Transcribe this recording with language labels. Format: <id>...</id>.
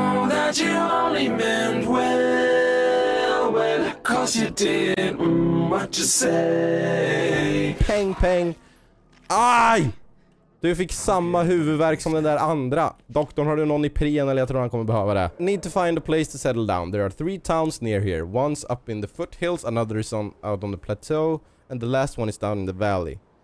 <en>That you only meant well, 'cause you did. What you say? Peng, peng. Aj!</en> <sv>Du fick samma huvudvärk som den där andra. Doktorn, har du någon Ipren eller jag tror han kommer behöva det.</sv> <en>Need to find a place to settle down. There are three towns near here. One's up in the foothills, another is on out on the plateau, and the last one is down in the valley.</en>